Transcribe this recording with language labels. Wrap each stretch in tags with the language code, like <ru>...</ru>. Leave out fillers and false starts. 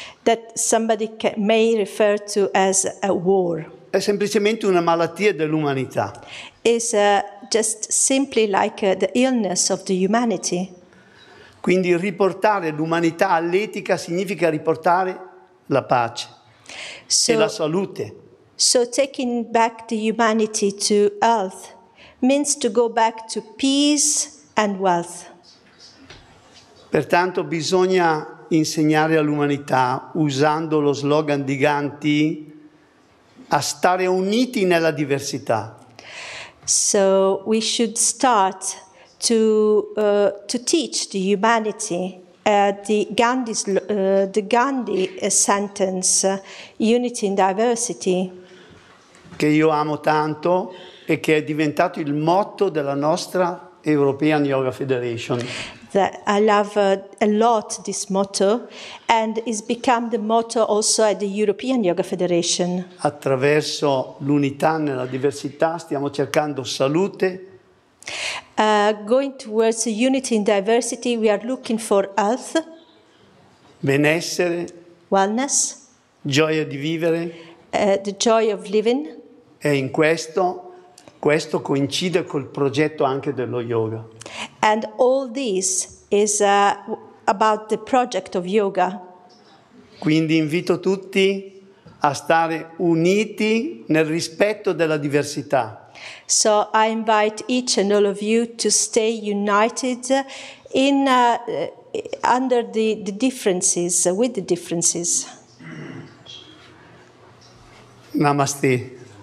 <en>That somebody may refer to as a war.</en> <it>È semplicemente una malattia dell'umanità.</it> <en>It's just simply like the illness of the humanity.</en> <it>Quindi riportare l'umanità all'etica significa riportare la pace e la salute.</it> <en>So taking back the humanity to health means to go back to peace and wealth.</en> <it>Pertanto bisogna insegnare all'umanità, usando lo slogan di Gandhi, a stare uniti nella diversità.</it> <en>So we should start to teach the humanity the Gandhi sentence, unity in diversity.</en> <it>Che io amo tanto e che è diventato il motto della nostra European Yoga Federation.</it> <en>That I love a lot this motto and it's become the motto also at the European Yoga Federation.</en> <it>Attraverso l'unità nella diversità stiamo cercando salute.</it> <en>Going towards unity in diversity, we are looking for health,</en> <it>benessere,</it> <en>wellness,</en> <it>gioia di vivere,</it> <en>the joy of living.</en> <it>E in questo coincide col progetto anche dello yoga.</it> <en>And all this is about the project of yoga.</en> <it>Quindi invito tutti a stare uniti nel rispetto della diversità.</it> <en>So I invite each and all of you to stay united in under the differences, with the differences. Namaste.</en>